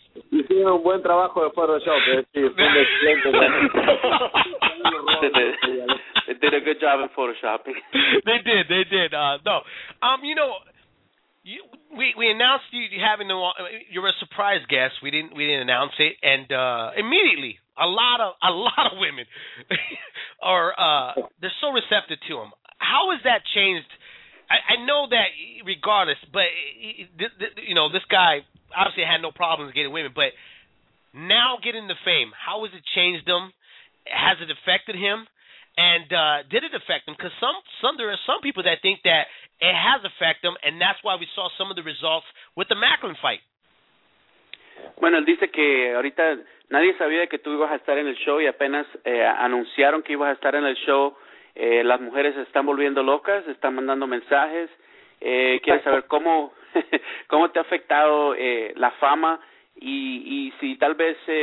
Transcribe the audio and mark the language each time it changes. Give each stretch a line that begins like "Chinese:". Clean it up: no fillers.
Spanish: Hicieron un buen trabajo de Photoshop, es decir, un excelente.
English: They did a good job in Photoshopping. They did. We announced you having you were a surprise guest. We didn't announce it, and immediately a lot of women are they're so receptive to him. How has that changed? I know that regardless, but you know, this guy obviously had no problems getting women, but now getting the fame, how has it changed him? Has it affected him? And did it affect him? Because there are some people that think that it has affected him, and that's why we saw some of the results with the Macklin fight.
Spanish: Bueno, él dice que ahorita nadie sabía que tú ibas a estar en el show y apenas anunciaron que ibas a estar en el show. Las mujeres están volviendo locas, están mandando mensajes. Quieren saber cómo te ha afectado la fama y si tal vez...